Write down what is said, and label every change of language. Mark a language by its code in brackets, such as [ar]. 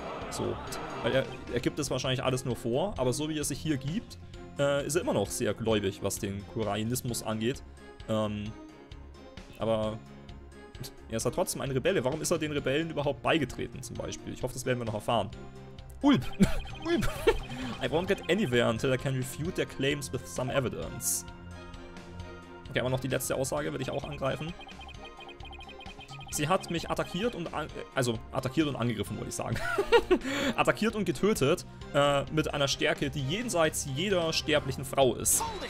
[de] So, weil er gibt es wahrscheinlich alles nur vor, aber so wie er sich hier gibt, ist er immer noch sehr gläubig, was den Kyrianismus angeht. Aber er ist ja trotzdem ein Rebelle. Warum ist er den Rebellen überhaupt beigetreten, zum Beispiel? Ich hoffe, das werden wir noch erfahren. Ulb! Ulb! [en] I won't get anywhere until I can refute their claims with some evidence. [de] Okay, aber noch die letzte Aussage will ich auch angreifen. Sie hat mich attackiert und angegriffen, wollte ich sagen. Attackiert und getötet mit einer Stärke, die jenseits jeder sterblichen Frau ist.